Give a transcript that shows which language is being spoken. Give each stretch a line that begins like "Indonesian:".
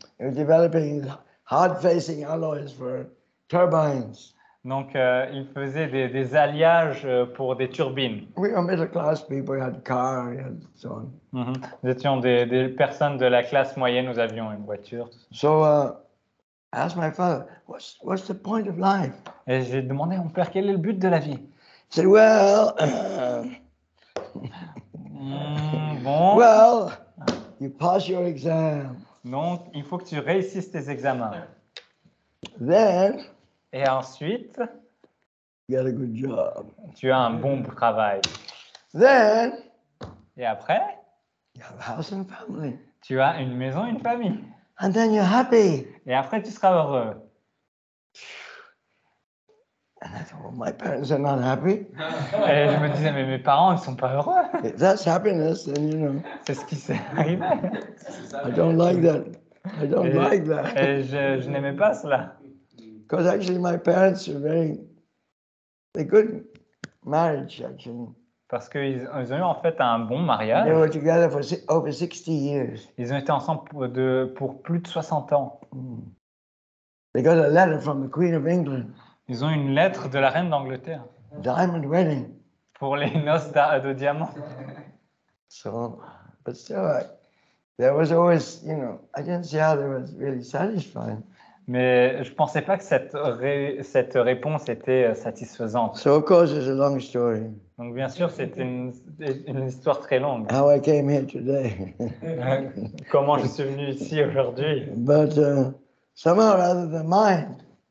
English: He was developing hard-facing alloys for turbines.
French: Donc, il faisait des alliages pour des turbines.
English: We were middle-class people, we had a car, we had so on. Mm-hmm.
French: Nous étions des personnes de la classe moyenne, nous avions une voiture.
English: So, I asked my father, what's the point of life?
French: Et j'ai demandé à mon père, quel est le but de la vie?
English: He said, well,
French: bon.
English: Well, you pass your exam.
French: Donc, il faut que tu réussisses tes examens.
English: Then,
French: et ensuite,
English: you got a good job.
French: Tu as un bon travail.
English: Then,
French: et après,
English: you have a house and family.
French: Tu as une maison et une famille.
English: And then you're happy.
French: Et après, tu seras heureux.
English: And I thought, well, my parents are not happy.
French: Et je me disais, mais mes parents ne sont pas heureux.
English: If that's happiness, then you know.
French: C'est ce qui s'est arrivé.
English: I don't like that. I don't like that.
French: Et je n'aimais pas cela.
English: Because actually, my parents were very a good marriage, actually.
French: Parce qu'ils ont eu en fait un bon mariage.
English: They were together for over 60 years.
French: Ils ont été ensemble pour plus de 60 ans.
English: They got a letter from the Queen of England.
French: Ils ont une lettre de la reine d'Angleterre.
English: Diamond wedding.
French: Pour les noces de diamant.
English: So, but still, there was always, you know, I didn't see how they were really satisfied.
French: Mais je ne pensais pas que cette réponse était satisfaisante.
English: So of course it's a long story.
French: Donc bien sûr, c'est une histoire très longue.
English: How I came here today.
French: Comment je suis venu ici aujourd'hui.
English: But somehow or other the mind.